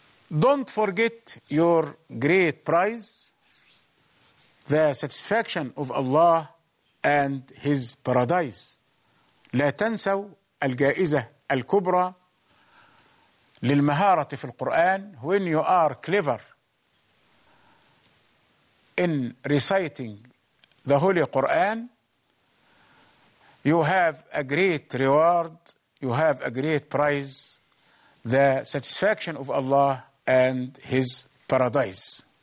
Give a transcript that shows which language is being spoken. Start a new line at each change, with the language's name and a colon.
English: Don't forget your great prize, the satisfaction of Allah and His paradise.
Arabic: لا تنسوا الجائزة الكبرى للمهارة في القرآن.
English: When you are clever in reciting the Holy Quran, you have a great reward, you have a great prize, the satisfaction of Allah and His paradise.